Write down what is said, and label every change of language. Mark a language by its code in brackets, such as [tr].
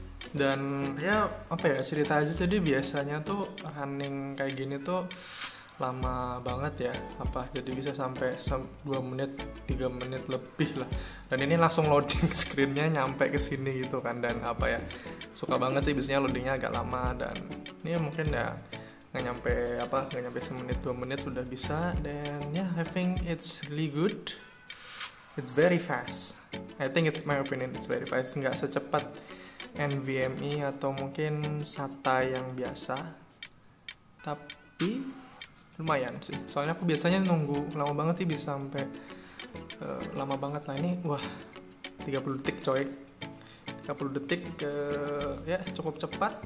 [id] Dan ya apa ya, cerita aja. Jadi biasanya tuh running kayak gini tuh lama banget ya, apa jadi bisa sampai 2 menit 3 menit lebih lah, dan ini langsung loading screennya nyampe ke sini gitu kan. Dan apa ya, suka banget sih biasanya loadingnya agak lama, dan ini mungkin ya nggak nyampe 1 menit 2 menit sudah bisa. Dan ya, [en] yeah, I think it's really good, it's very fast, I think it's my opinion, it's very fast. [id] Nggak secepat NVMe atau mungkin SATA yang biasa, tapi lumayan sih. Soalnya aku biasanya nunggu lama banget sih, bisa sampai lama banget lah. Ini wah, 30 detik coy, 30 detik ya, cukup cepat.